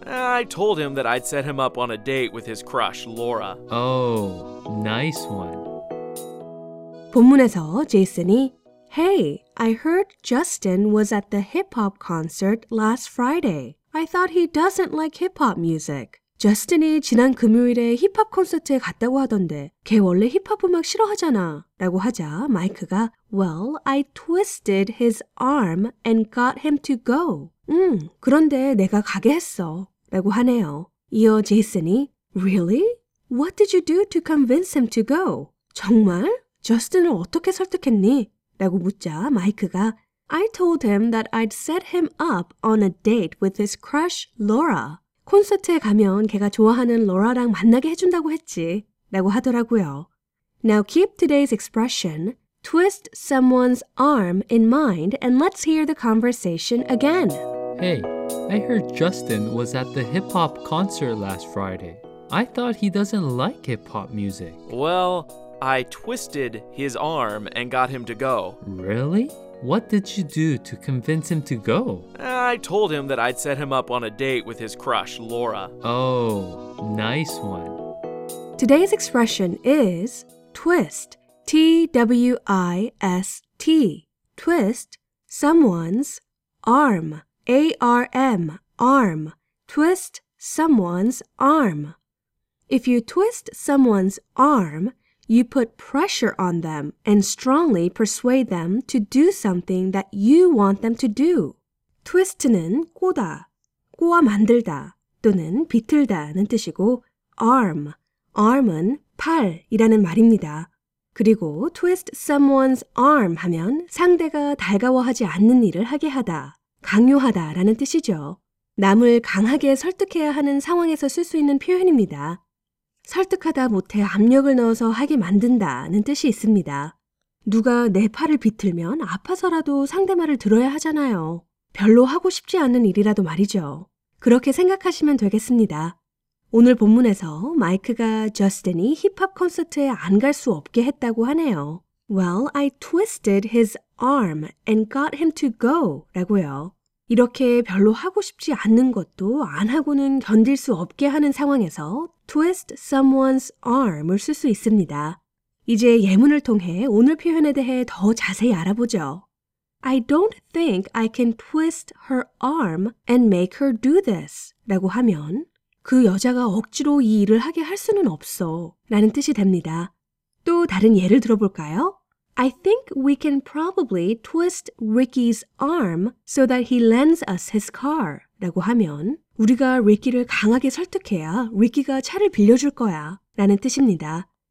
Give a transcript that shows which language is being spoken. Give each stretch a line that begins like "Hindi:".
English: I told him that I'd set him up on a date with his crush, Laura. Oh, nice one.
Korean: 본문에서 제이슨이
English: Hey, I heard Justin was at the hip-hop concert last Friday. I thought he doesn't like hip-hop music.
Korean: Justin이 지난 금요일에 힙합 콘서트에 갔다고 하던데 걔 원래 힙합 음악 싫어하잖아 라고 하자 마이크가
English: Well, I twisted his arm and got him to go.
Korean: 그런데 내가 가게 했어 라고 하네요. 이어 제이슨이
English: Really? What did you do to convince him to go?
Korean: 정말? Justin을 어떻게 설득했니? 라고 묻자 마이크가
English: I told him that I'd set him up on a date with his crush, Laura.
Korean: 콘서트에 가면 걔가 좋아하는 로라랑 만나게 해준다고 했지 라고 하더라고요.
English: Now keep today's expression, twist someone's arm in mind and let's hear the conversation again. Hey, I heard Justin was at the hip-hop concert last Friday. I thought he doesn't like hip-hop music. Well, I twisted his arm and got him to go. Really? What did you do to convince him to go? I told him that I'd set him up on a date with his crush, Laura. Oh, nice one. Today's expression is twist, T-W-I-S-T, twist someone's arm, A-R-M, arm, twist someone's arm. If you twist someone's arm, you put pressure on them and strongly persuade them to do something that you want them to do.
Korean: Twist는 꼬다, 꼬아 만들다 또는 비틀다는 뜻이고 arm, arm은 팔이라는 말입니다. 그리고 twist someone's arm 하면 상대가 달가워하지 않는 일을 하게 하다, 강요하다 라는 뜻이죠. 남을 강하게 설득해야 하는 상황에서 쓸 수 있는 표현입니다. 설득하다 못해 압력을 넣어서 하게 만든다는 뜻이 있습니다. 누가 내 팔을 비틀면 아파서라도 상대 말을 들어야 하잖아요. 별로 하고 싶지 않은 일이라도 말이죠. 그렇게 생각하시면 되겠습니다. 오늘 본문에서 마이크가 저스틴이 힙합 콘서트에 안 갈 수 없게 했다고 하네요.
English: Well, I twisted his arm and got him to go
Korean: 라고요. 이렇게 별로 하고 싶지 않는 것도 안 하고는 견딜 수 없게 하는 상황에서 twist someone's arm을 쓸 수 있습니다. 이제 예문을 통해 오늘 표현에 대해 더 자세히 알아보죠.
English: I don't think I can twist her arm and make her do this
Korean: 라고 하면 그 여자가 억지로 이 일을 하게 할 수는 없어 라는 뜻이 됩니다. 또 다른 예를 들어볼까요?
English: I think we can probably twist Ricky's arm so that he lends us his car.
Korean: 라고 하면 우리가 Ricky를 강하게 설득해야 Ricky가 차를 빌려줄 거야 라는 뜻입니다.